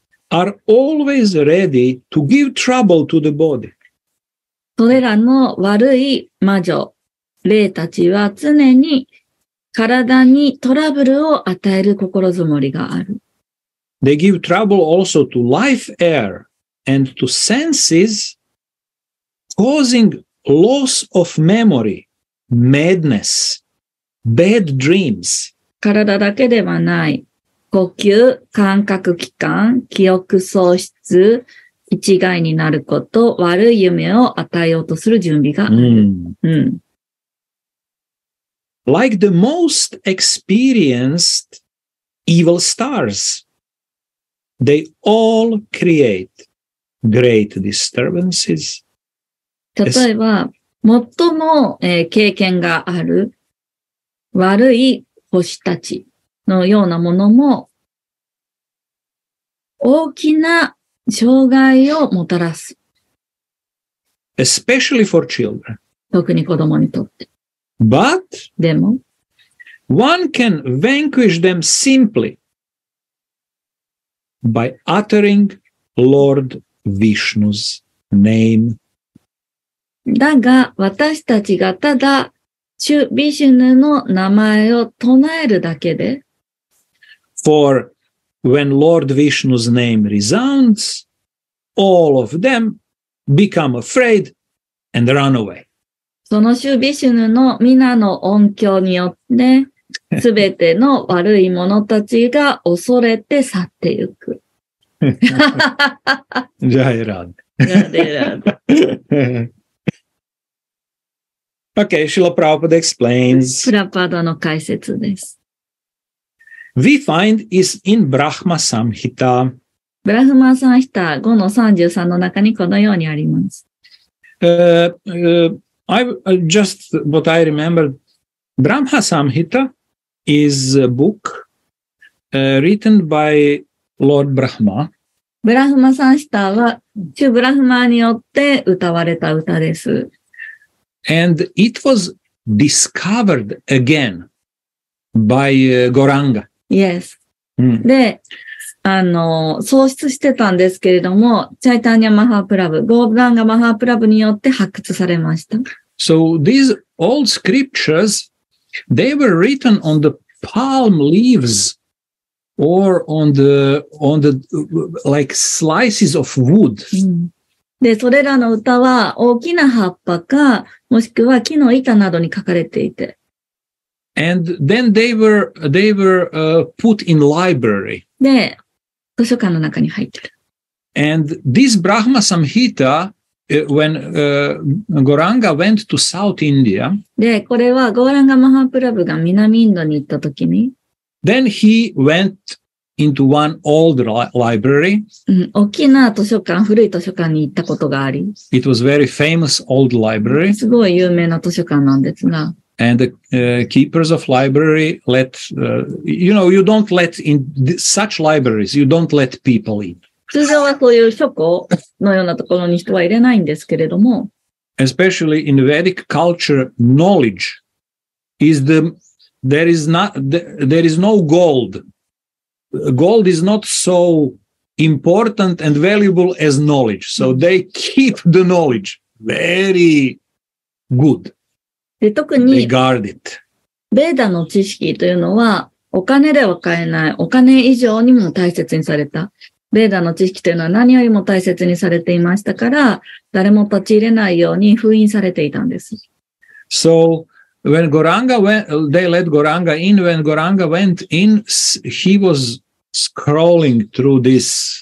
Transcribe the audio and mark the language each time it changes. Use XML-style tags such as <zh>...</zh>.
<en>Are always ready to give trouble to the body.</en> <ja>それらの悪い魔女、霊たちは常に体にトラブルを与える心づもりがある。</ja> <en>They give trouble also to life air and to senses, causing loss of memory, madness, bad dreams.</en> <ja>体だけではない。呼吸、感覚器官、記憶喪失、一概になること、悪い夢を与えようとする準備がある。</ja> <en>Like the most experienced evil stars, they all create great disturbances.</en> <ja>例えば、最も、経験がある悪い星たちのようなものも大きな障害をもたらす。</ja> <en>Especially for children.</en> <ja>特に子供にとって。</ja> <en>But,</en> <ja>でも、</ja> <en>one can vanquish them simply by uttering Lord Vishnu's name.</en> <ja>だが、私たちがただ、シュ・ビシュヌの名前を唱えるだけで、</ja> <en>For when Lord Vishnu's name resounds, all of them become afraid and run away.</en> <ja>そのシュビシュヌの皆の音響によって、すべての悪い者たちが恐れて去っていく。じゃあ選んで。</ja> <en>Okay, Srila Prabhupada explains.</en> <ja>プラパダの解説です。</ja> <en>We find is in Brahma Samhita.</en> <ja>Brahma Samhita 5-33 の中にこのようにあります。</ja> <en>What I remember, Brahma Samhita is a book written by Lord Brahma.</en> <ja>Brahma Samhita は、シュ・ブラフマによって歌われた歌です。</ja> <en>And it was discovered again by Gauranga.</en> <ja>Yes.、で、創出してたんですけれども、チャイタニア・マハープラブ、ゴーランガ・マハープラブによって発掘されました。</ja> <en>So these old scriptures, they were written on the palm leaves or on the like slices of wood.</en> <ja>で、それらの歌は大きな葉っぱか、もしくは木の板などに書かれていて。</ja> <en>And then they were put in library.</en> <ja>で、図書館の中に入ってる。</ja> <en>And this Brahma Samhita,When Gauranga went to South India,</en> <ja>で、これはゴーランガ・マハプラブが南インドに行ったときに、</ja> <en>Then he went into one old library. 大きな図書館、古い図書館に行ったことがあり、 It was very famous old library. すごい有名な図書館なんですが、 And the keepers of library let, you know, you don't let in such libraries, you don't let people in.</en> <ja>通常はそういう書庫のようなところに人は入れないんですけれども。</ja> <en>especially in Vedic culture, knowledge is the there is no gold. Gold is not so important and valuable as knowledge. So they keep the knowledge very good.</en> <ja>で、特に、</ja> <en>they guard it.</en> <ja>ベーダの知識というのは、お金では買えない、お金以上にも大切にされた。ベーダの知識というのは何よりも大切にされていましたから、誰も立ち入れないように封印されていたんです。</ja> <en>So, when Goranga went, they let Goranga in, when Goranga went in, he was scrolling through this.</en>